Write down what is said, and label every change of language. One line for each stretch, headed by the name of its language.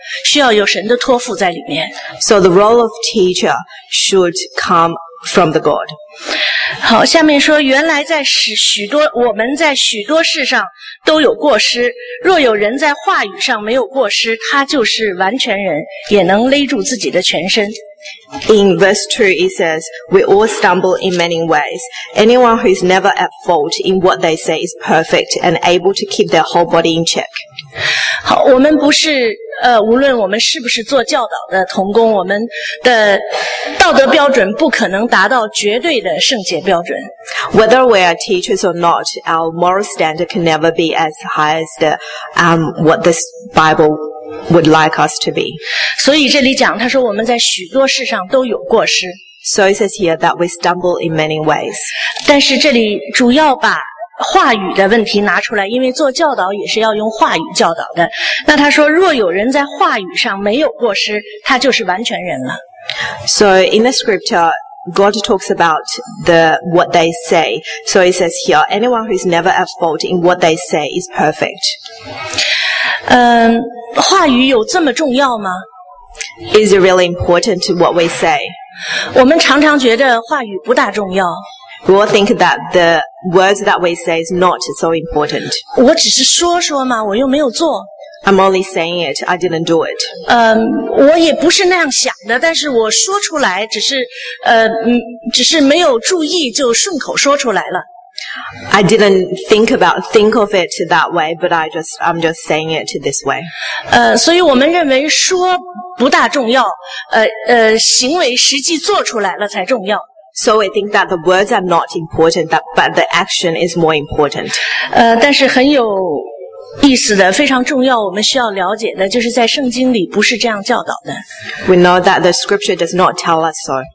Chinese: 需要有神的托付在里面。
English: So the role of teacher should come from the God.
Chinese: 好，下面说，原来在许多我们在许多事上都有过失，若有人在话语上没有过失，他就是完全人，也能勒住自己的全身。
English: In verse 2, it says, we all stumble in many ways. Anyone who is never at fault in what they say is perfect and able to keep their whole body in check.
Chinese: 好，我们不是无论我们是不是做教导的同工，我们的道德标准不可能达到绝对的圣洁标准。
English: Whether we are teachers or not, our moral standard can never be as high as the, what this Bible would like us to be.
Chinese: 所以这里讲，他说我们在许多事上都有过失。
English: So it says here that we stumble in many ways.
Chinese: 但是这里主要把话语的问题拿出来，因为做教导也是要用话语教导的。那他说，若有人在话语上没有过失，他就是完全人了。
English: So in the scripture, God talks about what they say. So it says here, anyone who is never at fault in what they say is perfect.
Chinese: 话语有这么重要吗？
English: Is it really important what we say?
Chinese: 我们常常觉得话语不大重要。
English: We all think that the words that we say is not so important.
Chinese: 我只是说说嘛，我又没有做。
English: I'm only saying it. I didn't do it.
Chinese: 我也不是那样想的，但是我说出来，只是没有注意，就顺口说出来了。
English: I didn't think of it that way, but I'm just saying it this way.
Chinese: 所以我们认为说不大重要，行为实际做出来了才重要。
English: So I think that the words are not important, but the action is more important.
Chinese: 但是很有意思的，非常重要，我们需要了解的，就是在圣经里不是这样教导的。
English: We know that the scripture does not tell us so.